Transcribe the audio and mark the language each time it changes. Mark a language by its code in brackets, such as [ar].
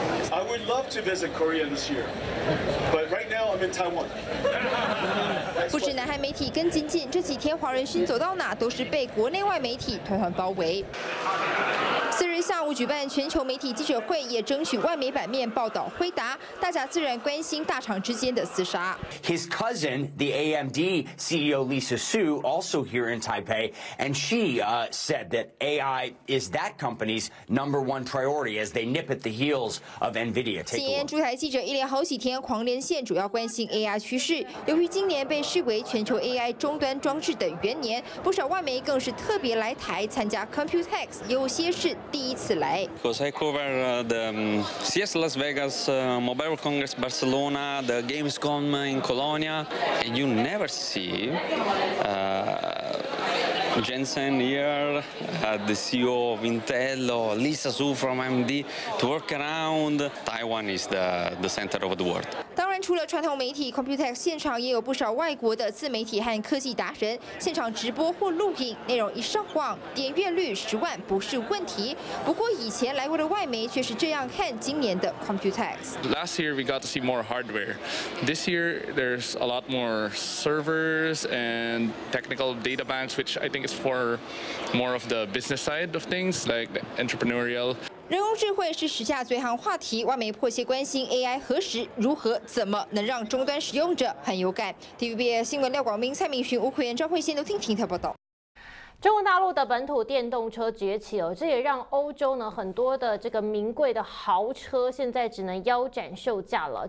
[en] I would love to visit Korea this year, but right now I'm in Taiwan. [zh] 不止南韩媒体跟紧紧，这几天黄仁勋走到哪都是被国内外媒体团团包围。四日日下午举办全球媒体记者会，也争取外媒版面报道辉达。大家自然关心大厂之间的厮杀。 [en] His cousin, the AMD CEO Lisa Su, also here in Taipei, and she said that AI is that company's number one priority as they nip at the heels of Nvidia. [zh] 今天驻台记者一连好几天狂连线，主要关心 AI 趋势。由于今年被视为全球 AI 终端装置的元年，不少外媒更是特别来台参加 Computex， 有些是第一次来。 [en] Because I cover the CES Las Vegas, Mobile Congress Barcelona, the Gamescom in Colonia, and you never see Jensen here, the CEO of Intel, or Lisa Su from AMD to work around. Taiwan is the center of the world. [zh] 当然，除了传统媒体 Computex 现场，也有不少外国的自媒体和科技达人现场直播或录影，内容一上网，点阅率10万不是问题。不过，以前来过的外媒却是这样看今年的 Computex。 [en] Last year we got to see more hardware. This year there's a lot more servers and technical data banks, which I think is for more of the business side of things, like the entrepreneurial. [zh] 人工智慧是时下最夯话题，外媒迫切关心 AI 何时、如何、怎么能让终端使用者很有感。 TVBS 新闻廖广明、蔡明勋、吴奎言、张慧欣、刘婷婷报道。中国大陆的本土电动车崛起了，这也让欧洲呢很多的这个名贵的豪车现在只能腰斩售价了。